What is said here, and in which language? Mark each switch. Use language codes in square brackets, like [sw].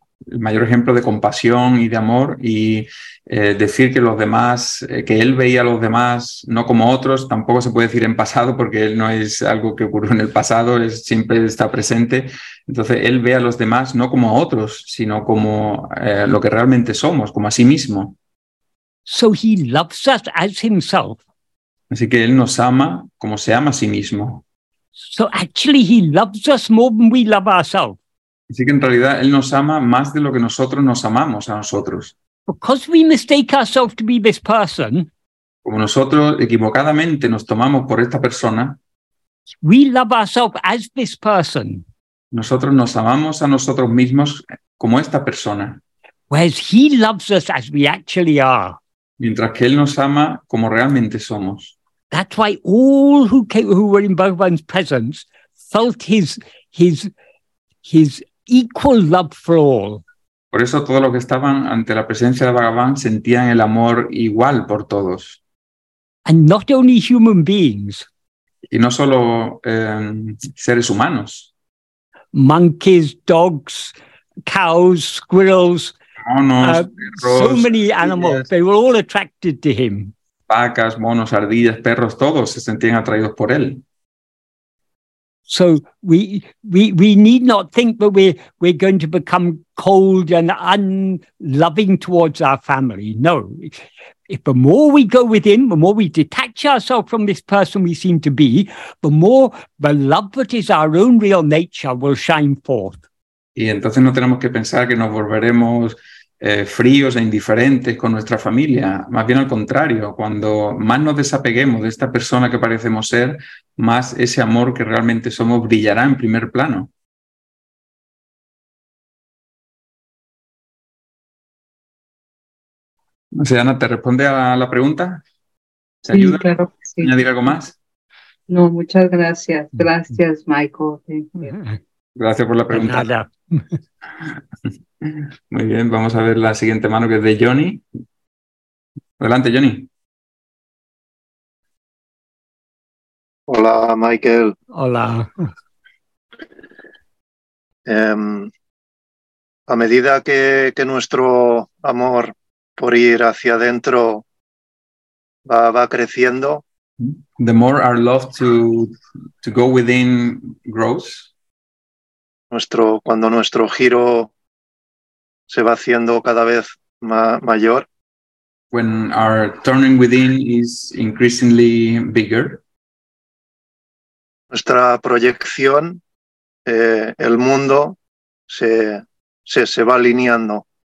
[es] el mayor ejemplo de compasión y de amor, y decir que los demás, que él veía a los demás no como otros, tampoco se puede decir en pasado, porque él no es algo que ocurrió en el pasado, él siempre está presente. Entonces él ve a los demás no como otros, sino como lo que realmente somos, como a sí mismo. [en] So he loves us as himself. [es] Así que él nos ama como se ama a sí mismo. [en] So actually he loves us more than we love ourselves. [es] Así que en realidad él nos ama más de lo que nosotros nos amamos a nosotros. [en] Because we mistake ourselves to be this person. [es] Como nosotros equivocadamente nos tomamos por esta persona. [en] We love ourselves as this person. [es] Nosotros nos amamos a nosotros mismos como esta persona. [en] Whereas he loves us as we actually are. [es] Mientras que él nos ama como realmente somos. [en] That's why all who were in Bhagavan's presence felt his equal love for all. [es] Por eso todos los que estaban ante la presencia de Bhagavan sentían el amor igual por todos. [en] And not only human beings. [es] Y no solo seres humanos. [en] Monkeys, dogs, cows, squirrels. [es] Monos, perros, [en] so many animals, they were all attracted to him. [es] Vacas, monos, ardillas, perros, todos se sentían atraídos por él. [en] So we need not think that we're going to become cold and unloving towards our family. No. If the more we go within, the more we detach ourselves from this person we seem to be, the more the love that is our own real nature will shine forth. [es] Y entonces no tenemos que pensar que nos volveremos fríos e indiferentes con nuestra familia. Más bien al contrario, cuando más nos desapeguemos de esta persona que parecemos ser, más ese amor que realmente somos brillará en primer plano. No sé, Ana, ¿te responde a la pregunta? ¿Te sí, ayuda? Claro que sí. ¿Añadir algo más? No, muchas gracias. Gracias, Michael. Gracias por la pregunta. De nada. Muy bien, vamos a ver la siguiente mano, que es de Johnny. Adelante, Johnny. Hola, Michael. Hola. A medida que nuestro amor por ir hacia adentro va creciendo, [en] the more our love to go within grows. [es] Cuando nuestro giro se va haciendo cada vez mayor. [en] When our turning within is increasingly bigger. [es] Nuestra proyección, el mundo, se va alineando.